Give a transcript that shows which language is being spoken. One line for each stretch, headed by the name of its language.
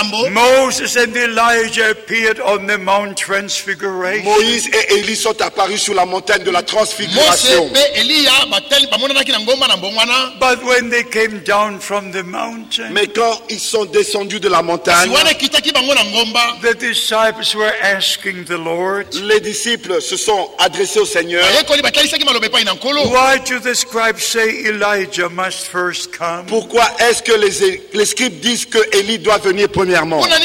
English: Moses and Elijah appeared on the Mount Transfiguration.
French: Moïse et Élie sont apparus sur la montagne de la Transfiguration.
English: But when they came down from the mountain,
French: mais quand ils sont descendus de la montagne,
English: the disciples were asking the Lord.
French: Les disciples se sont adressés au Seigneur.
English: Why do the scribes say Elijah must first come?
French: Pourquoi est-ce que les scribes disent que Élie doit venir premièrement?